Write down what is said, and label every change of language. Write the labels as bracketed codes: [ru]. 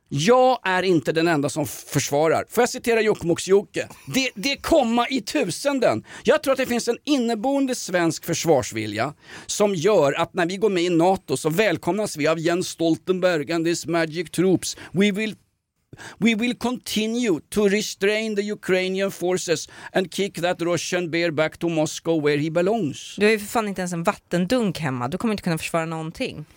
[sv] Jag är inte den enda som försvarar. Får jag citera Jokkmokks Jokke? Det komma i tusenden. Jag tror att det finns en inneboende svensk försvarsvilja som gör att när vi går med i NATO så välkomnas vi av Jens Stoltenberg [en] and his magic troops. We will We will continue to restrain the Ukrainian forces and kick that Russian bear back to Moscow where he belongs. [sv] Du är ju för fan inte ens en vattendunk hemma. Du kommer inte kunna försvara någonting.